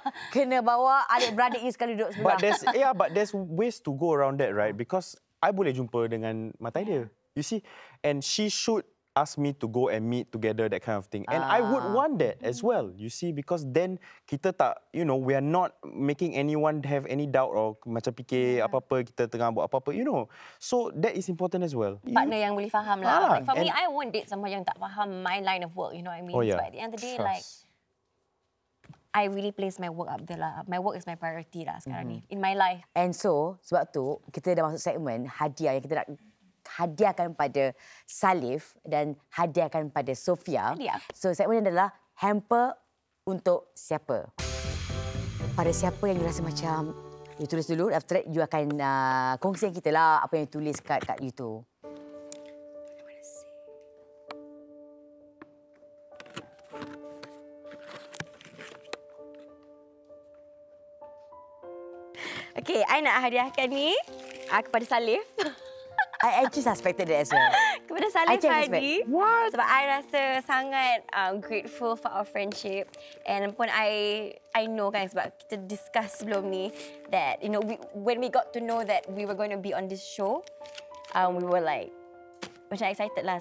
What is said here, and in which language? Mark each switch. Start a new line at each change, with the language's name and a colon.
Malay: Kena bawa adik-beradik you sekali duduk sebelah.
English: But there's ways to go around that, right? Because
Malay: I boleh jumpa dengan matai dia.
English: You see? And she should ask me to go and meet together, that kind of thing. And I would want that as well, you see? Because then,
Malay: kita tak,
English: you know, we are not making anyone have any doubt or
Malay: macam fikir apa-apa, kita tengah buat apa-apa,
English: you know? So, that is important as well.
Malay: Partner yang boleh faham lah.
English: Like for me, I won't date someone
Malay: yang tak faham
English: my line of work, you know what I mean? Oh, yeah. So, at the end of the day, I really place my work up there lah. My work is my priority
Malay: lah sekarang ni,
English: in my life.
Malay: And so, sebab tu, kita dah masuk segmen hadiah yang kita nak hadiahkan pada Salif dan hadiahkan pada Sofia. So, segmennya adalah hamper untuk siapa? Pada siapa yang you rasa macam you tulis dulu,
English: after that
Malay: you akan kongsi dengan kita lah apa yang you tulis kat you tu. Okay, I nak hadiahkan ni kepada Salif.
English: I actually suspected that as well.
Malay: Kepada Salif Hardie.
English: What?
Malay: Sebab I rasa sangat
English: grateful for our friendship. And pun I know
Malay: kan sebab kita discuss sebelum ni
English: that, you know, when we got to know that we were going to be on this show, we were like, macam excited lah.